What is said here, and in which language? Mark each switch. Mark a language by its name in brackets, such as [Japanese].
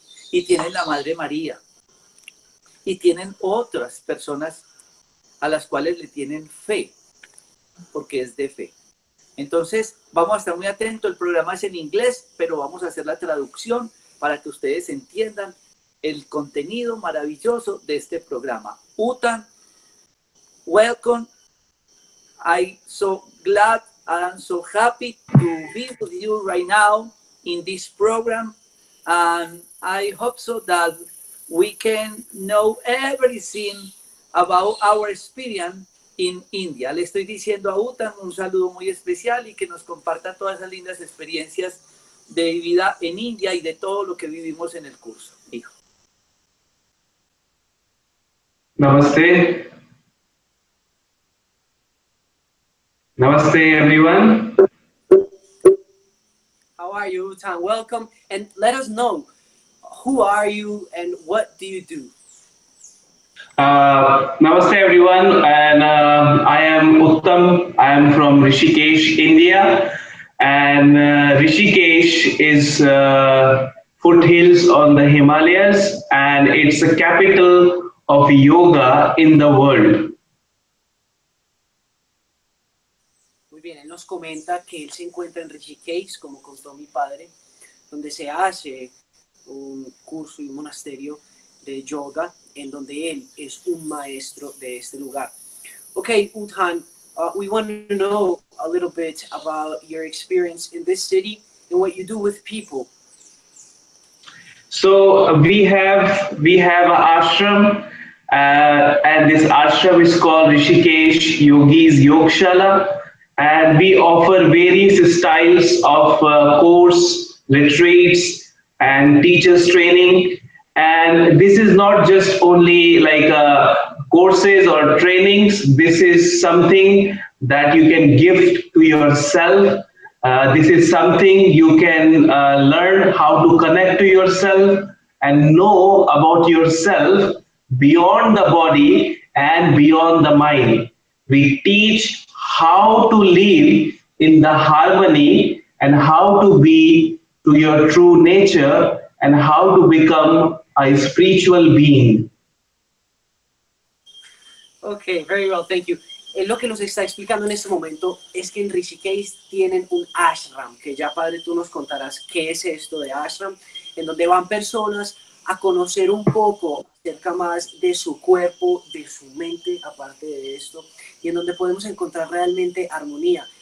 [Spanish] Y tienen la Madre María. Y tienen otras personas a las cuales le tienen fe, porque es de fe. Entonces, vamos a estar muy atentos. El programa es en inglés, pero vamos a hacer la traducción para que ustedes entiendan el contenido maravilloso de este programa. [English] Uttam, welcome. I'm so glad and so happy to be with you right now in this program. And I hope so that we can know everything about our experience in India. [Spanish] Le estoy diciendo a Uttam un saludo muy especial y que nos comparta todas esas lindas experiencias de vida en India y de todo lo que vivimos en el curso, hijo. [English] Namaste. Namaste, everyone. How are you, Uttam? Welcome. And let us know, who are you and what do you do? Namaste, everyone. And I am Uttam. I am from Rishikesh, India. And Rishikesh is foothills on the Himalayas. And it's the capital of yoga in the world. [Spanish] Muy bien, él nos comenta que él se encuentra en Rishikesh, como contó mi padre, donde se hace un curso y un monasterio de yoga, en donde él es un maestro de este lugar. [English] Okay, Uttam, we want to know a little bit about your experience in this city and what you do with people. So we have an ashram. And this ashram is called Rishikesh Yogis Yogshala, and we offer various styles of course, retreats, and teachers training. And this is not just only like courses or trainings. This is something that you can gift to yourself. This is something you can learn how to connect to yourself and know about yourself beyond the body and beyond the mind. We teach how to live in the harmony and how to be to your true nature and how to become a spiritual being. Okay, very well, thank you. [Spanish] Lo que nos está explicando en este momento es que en Rishikesh tienen un ashram, que ya padre tú nos contarás qué es esto de ashram, en donde van personas a conocer un poco acerca más de su cuerpo, de su mente, aparte de esto, y en donde podemos encontrar realmente armonía.